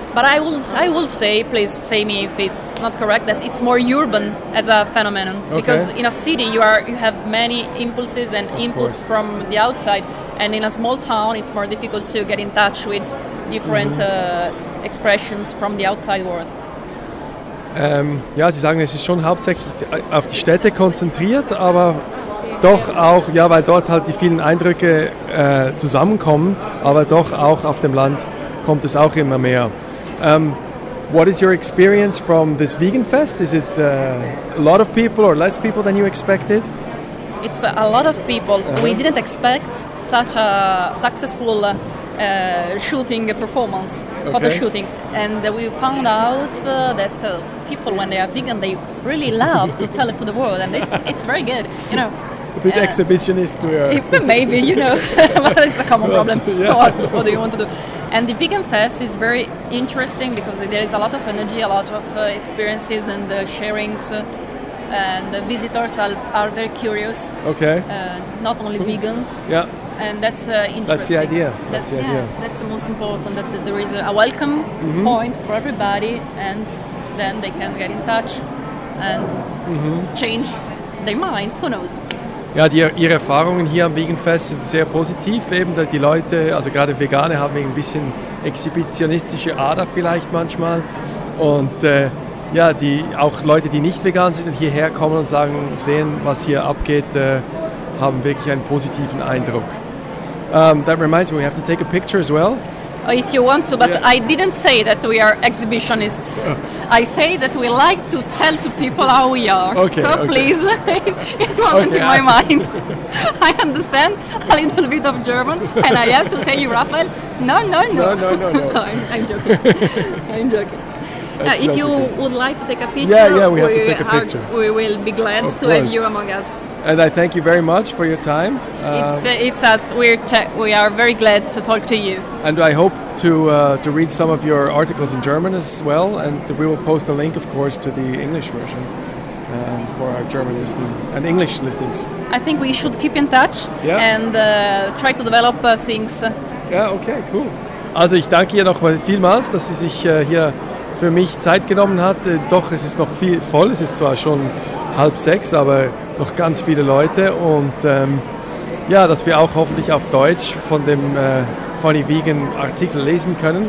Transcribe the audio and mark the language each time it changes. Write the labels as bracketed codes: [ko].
[en] But I will say, please say me if it's not correct, that it's more urban as a phenomenon. Okay. Because in a city you have many impulses and of inputs course from the outside. And in a small town it's more difficult to get in touch with different expressions from the outside world. [de] Ja, Sie sagen, es ist schon hauptsächlich auf die Städte konzentriert, aber doch auch, ja, weil dort halt die vielen Eindrücke zusammenkommen, aber doch auch auf dem Land kommt es auch immer mehr. [en] What is your experience from this vegan fest? Is it a lot of people or less people than you expected? It's a lot of people. Uh-huh. We didn't expect such a successful shooting performance, photo shooting. And we found out that people, when they are vegan, they really love to tell it to the world. And it's very good, you know. A bit exhibitionist we are. Maybe, you know. Well, it's a common problem. Yeah. What do you want to do? And the Vegan Fest is very interesting because there is a lot of energy, a lot of experiences and sharings. And the visitors are very curious. Okay. Not only vegans. Yeah. And that's interesting. That's the idea. That's the idea. Yeah, that's the most important, that there is a welcome point for everybody. And then they can get in touch and change their minds. Who knows? [de] Ja, Ihre Erfahrungen hier am Veganfest sind sehr positiv, eben, dass die Leute, also gerade Vegane, haben ein bisschen exhibitionistische Ader vielleicht manchmal. Und ja, die auch Leute, die nicht vegan sind und hierher kommen und sagen, sehen, was hier abgeht, haben wirklich einen positiven Eindruck. [en] That reminds me, we have to take a picture as well. If you want to, but yeah. I didn't say that we are exhibitionists. I say that we like to tell to people how we are. Okay, so okay. Please, it wasn't okay, in my mind. I understand a little bit of German, and I have to say, you, Raphael, no. I'm joking. If you would like to take a picture, we will be glad to have you among us. And I thank you very much for your time. It's us. We are very glad to talk to you. And I hope to read some of your articles in German as well. And we will post a link, of course, to the English version for our German listening and English listings. I think we should keep in touch and try to develop things. Yeah, okay, cool. [de] Also, ich danke ihr nochmal vielmals, dass sie sich hier für mich Zeit genommen hat. Doch, es ist noch viel voll. Es ist zwar schon 5:30, aber noch ganz viele Leute und ja, dass wir auch hoffentlich auf Deutsch von dem Funny Vegan Artikel lesen können.